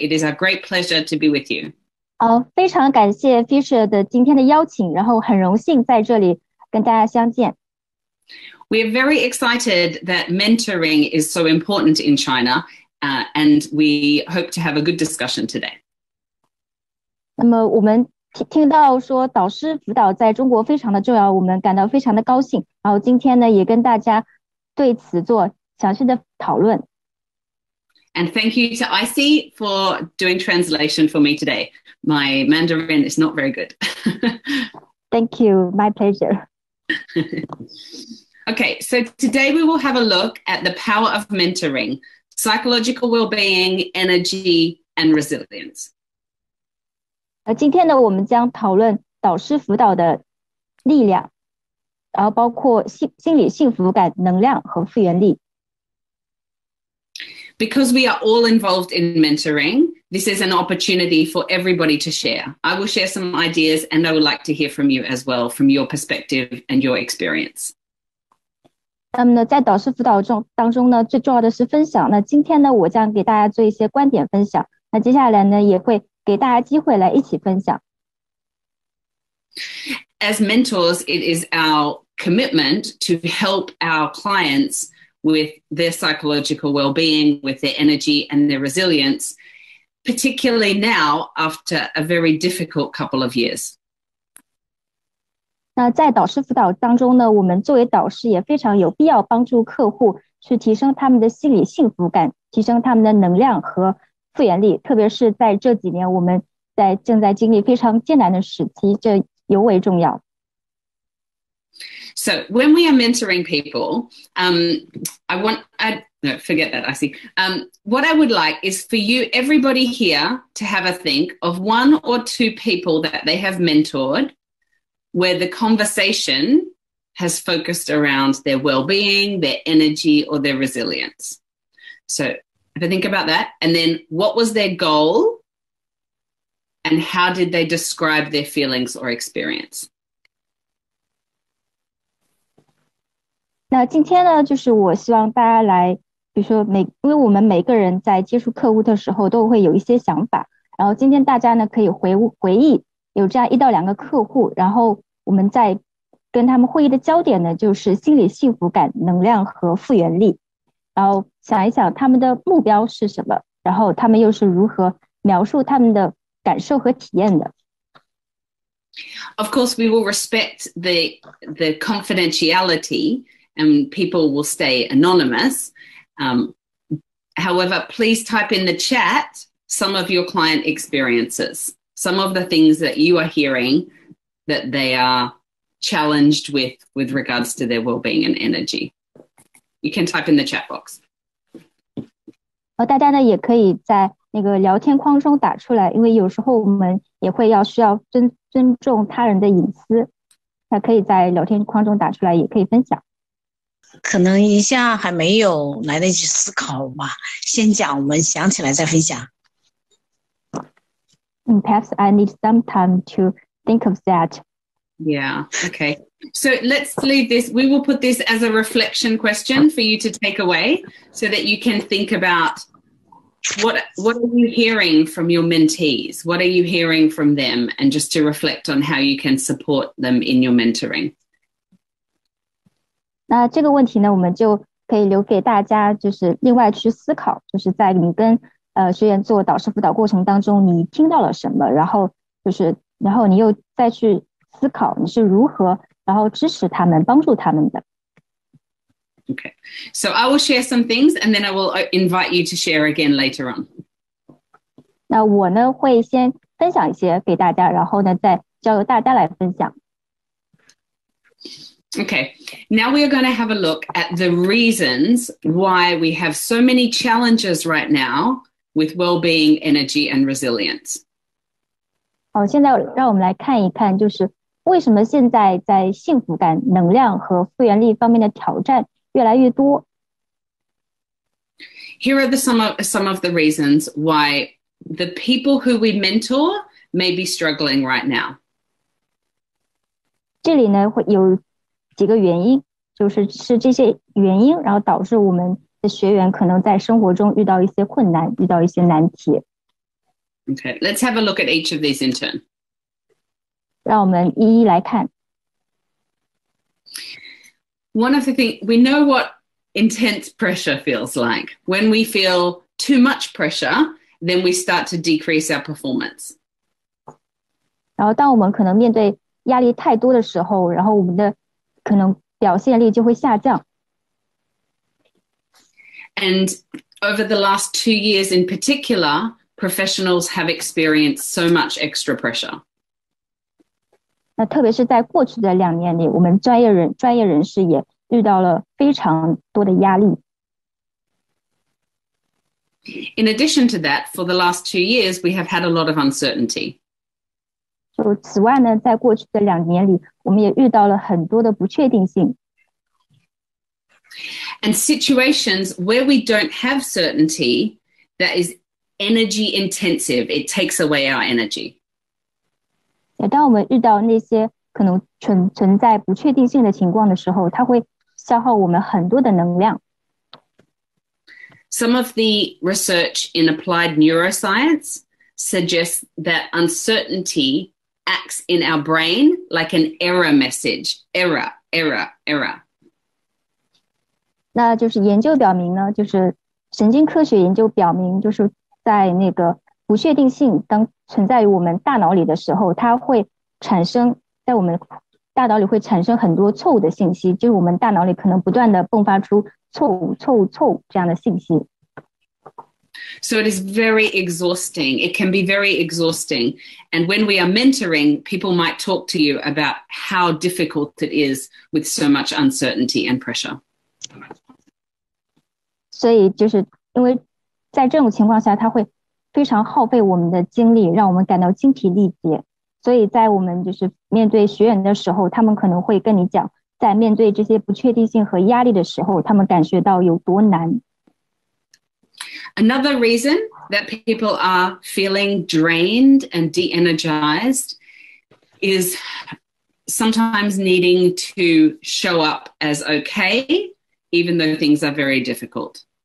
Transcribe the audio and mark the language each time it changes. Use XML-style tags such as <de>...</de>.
<en>It is a great pleasure to be with you.</en> <zh>非常感谢 Fisher 的今天的邀请，然后很荣幸在这里跟大家相见。</zh> <en>We are very excited that mentoring is so important in China, and we hope to have a good discussion today.</en> <zh>那么我们听到说导师辅导在中国非常的重要，我们感到非常的高兴。然后今天呢，也跟大家对此做详细的讨论。</zh> <en>And thank you to IC for doing translation for me today. My Mandarin is not very good. Thank you. My pleasure. Okay, so today we will have a look at the power of mentoring, psychological well-being, energy, and resilience.</en> <zh>今天呢，我们将讨论导师辅导的力量，然后包括心理幸福感、能量和复原力。</zh> <en>Because we are all involved in mentoring, this is an opportunity for everybody to share. I will share some ideas and I would like to hear from you as well, from your perspective and your experience.</en> <zh>那么呢，在导师辅导中当中呢，最重要的是分享。那今天呢，我将给大家做一些观点分享。那接下来呢，也会给大家机会来一起分享。</zh> <en>As mentors, it is our commitment to help our clients with their psychological well-being, with their energy and their resilience, particularly now after a very difficult couple of years.</en> <zh>那在导师辅导当中呢，我们作为导师也非常有必要帮助客户去提升他们的心理幸福感，提升他们的能量和复原力，特别是在这几年我们在正在经历非常艰难的时期，这尤为重要。</zh> <en>So when we are mentoring people, what I would like is for you, everybody here, to have a think of one or two people that they have mentored where the conversation has focused around their well-being, their energy, or their resilience. So if I think about that, and then what was their goal and how did they describe their feelings or experience?</en> <zh>那今天呢，就是我希望大家来，比如说因为我们每个人在接触客户的时候都会有一些想法，然后今天大家呢可以回忆有这样一到两个客户，然后我们在跟他们会议的焦点呢就是心理幸福感、能量和复原力，然后想一想他们的目标是什么，然后他们又是如何描述他们的感受和体验的。</zh> <en>Of course, we will respect the confidentiality. And people will stay anonymous. However, please type in the chat some of your client experiences, some of the things that you are hearing that they are challenged with regards to their well-being and energy. You can type in the chat box.</en> <zh>大家呢也可以在那个聊天框中打出来，因为有时候我们也会要需要尊重他人的隐私，那可以在聊天框中打出来，也可以分享。可能一下还没有来得及思考吧，先讲，我们想起来再分享。</zh> <en>Perhaps I need some time to think of that. Yeah, okay. So let's leave this. We will put this as a reflection question for you to take away so that you can think about what are you hearing from your mentees? What are you hearing from them? And just to reflect on how you can support them in your mentoring.</en> <zh>那这个问题呢，我们就可以留给大家，就是另外去思考，就是在你跟学员做导师辅导过程当中，你听到了什么，然后就是，然后你又再去思考你是如何，然后支持他们，帮助他们的。</zh> <en>Okay, so I will share some things, and then I will invite you to share again later on.</en> <zh>那我呢，会先分享一些给大家，然后呢，再交由大家来分享。</zh> <en>Okay, now we are going to have a look at the reasons why we have so many challenges right now with well-being, energy, and resilience.</en> <zh>好，现在让我们来看一看，就是为什么现在在幸福感、能量和复原力方面的挑战越来越多。</zh> <en>Here are some of the reasons why the people who we mentor may be struggling right now.</en> <zh>这里呢会有几个原因，就是是这些原因，然后导致我们的学员可能在生活中遇到一些困难，遇到一些难题。</zh> <en>Okay, let's have a look at each of these in turn.</en> <zh>让我们一一来看。</zh> <en>One of the things, we know what intense pressure feels like. When we feel too much pressure, then we start to decrease our performance.</en> <zh>然后当我们可能面对压力太多的时候，然后我们的可能表现力就会下降。</zh> <en>And over the last 2 years in particular, professionals have experienced so much extra pressure.</en> <zh>那特别是在过去的两年里，我们专业人士也遇到了非常多的压力。</zh> <en>In addition to that, for the last 2 years, we have had a lot of uncertainty.</en> <zh>就此外呢，在过去的两年里，我们也遇到了很多的不确定性。</zh> <en>And situations where we don't have certainty, that is energy intensive. It takes away our energy.</en> <zh>当我们遇到那些可能存在不确定性的情况的时候，它会消耗我们很多的能量。</zh> <en>Some of the research in applied neuroscience suggests that uncertainty acts in our brain like an error message. Error, error, error.</en> <zh>那就是研究表明呢，就是神经科学研究表明，就是在那个不确定性当存在于我们大脑里的时候，它会产生在我们大脑里会产生很多错误的信息，就是我们大脑里可能不断的迸发出错误、错误、错误这样的信息。</zh> <en>So it is very exhausting. It can be very exhausting. And when we are mentoring, people might talk to you about how difficult it is with so much uncertainty and pressure.</en> <zh>所以就是因为在这种情况下，它会非常耗费我们的精力，让我们感到精疲力竭。所以在我们就是面对学员的时候，他们可能会跟你讲，在面对这些不确定性和压力的时候，他们感觉到有多难。</zh> <en>Another reason that people are feeling drained and de-energized is sometimes needing to show up as okay, even though things are very difficult.</en>